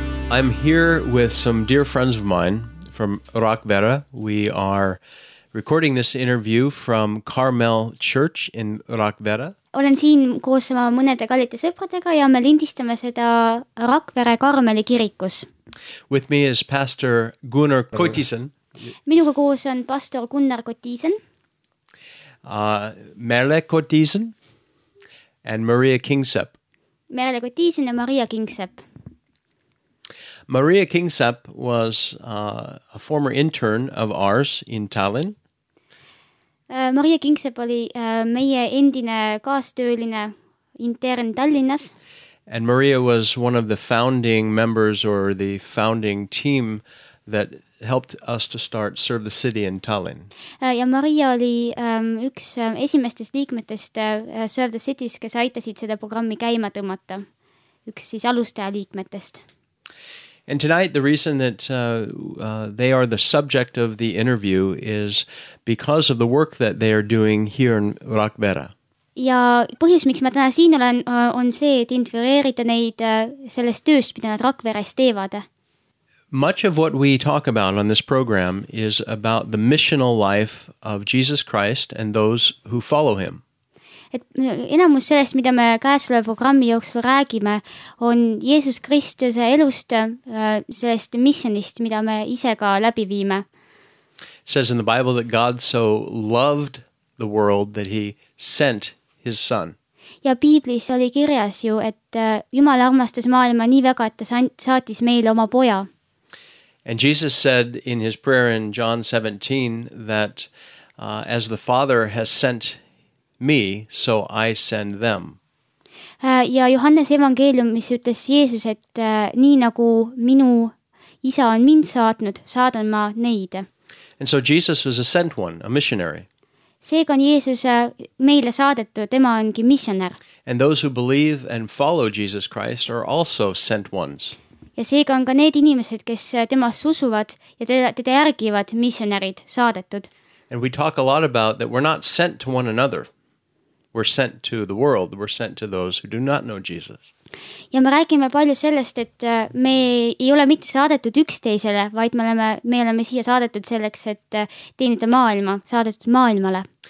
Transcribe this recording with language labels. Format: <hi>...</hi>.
<en>I'm here with some dear friends of mine from Rakvere. We are recording this interview from Carmel Church in Rakvere.</en> <et>Olen siin koos oma mõnede kallite sõpradega ja me lindistame seda Rakvere Karmeli kirikus.</et> <en>With me is Pastor Gunnar Kotisen.</en> <et>Minuga koos on Pastor Gunnar Kotisen.</et> <en>Merle Kotisen and Maria Kingsep.</en> <et>Merle Kotisen ja Maria Kingsep.</et> <en>Maria Kingsep was a former intern of ours in Tallinn.</en> <et>Maria Kingsep oli meie endine kaastööline intern Tallinnas.</et> <en>And Maria was one of the founding members or the founding team that helped us to start Serve the City in Tallinn.</en> <et>Ja Maria oli üks esimestest liikmetest Serve the Cities, kes aitasid seda programmi käima tõmmata üks siis alustaja liikmetest.</et> <en>And tonight the reason that they are the subject of the interview is because of the work that they are doing here in Rakvere.</en> <et>Ja põhjus, miks ma täna siin olen, on see, et inspireerida neid sellest tööst, mida nad Rakveres teevad.</et> <en>Much of what we talk about on this program is about the missional life of Jesus Christ and those who follow him.</en> <et>Et enamus sellest, mida me käesoleva programmi jooksul räägime, on Jeesus Kristuse elust, sellest missionist, mida me ise ka läbi viime.</et> <en>It says in the Bible that God so loved the world that he sent his son.</en> <et>Ja Biiblis oli kirjas ju, et Jumal armastas maailma nii väga, et ta saatis meile oma poja.</et> <en>And Jesus said in his prayer in John 17 that as the Father has sent me, so I send them.</en> <et>Ja Johannes evangeeliumis ütles Jeesus, et nii nagu minu isa on mind saatnud, saadan ma neid.</et> <en>And so Jesus was a sent one, a missionary.</en> <et>Seega on Jeesus meile saadetu, tema ongi missionär.</et> <en>And those who believe and follow Jesus Christ are also sent ones.</en> <et>Ja seega on ka need inimesed, kes temas usuvad ja teda järgivad missionärid saadetud.</et> <en>And we talk a lot about that we're not sent to one another. We're sent to the world. We're sent to those who do not know Jesus.</en> <et>Ja me räägime palju sellest, et me ei ole mitte saadetud üksteisele, vaid me oleme siia saadetud selleks, et teenida maailma, saadetud maailmale.</et>